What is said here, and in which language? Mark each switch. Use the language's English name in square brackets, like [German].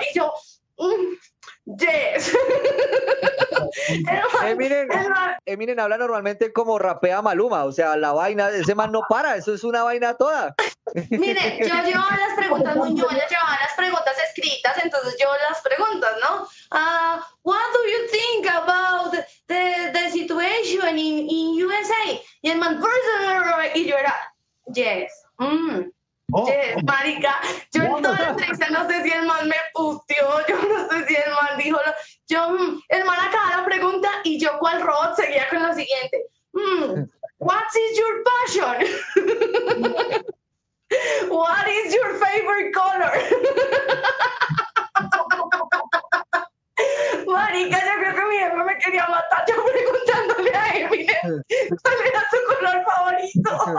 [Spanish] Y yo, [English] yes. [Spanish] Eminem habla normalmente como rapea Maluma, o sea, la vaina, ese man no para, eso es una vaina toda. Miren, yo llevaba las preguntas escritas, entonces yo las preguntas, ¿no? [English] What do you think about the situation in USA? [Spanish] Y el man, y yo era, [English] yes. Yes, [Spanish] marica, yo en toda la entrevista no sé si el man me puteó, yo no sé si el man dijo lo... Yo, el man acaba la pregunta y yo, cual robot, seguía con lo siguiente. [English] What is your passion? What is your favorite color? [Spanish] Marica, yo creo que mi hermano me quería matar yo preguntándole a Eminem cuál era su color favorito.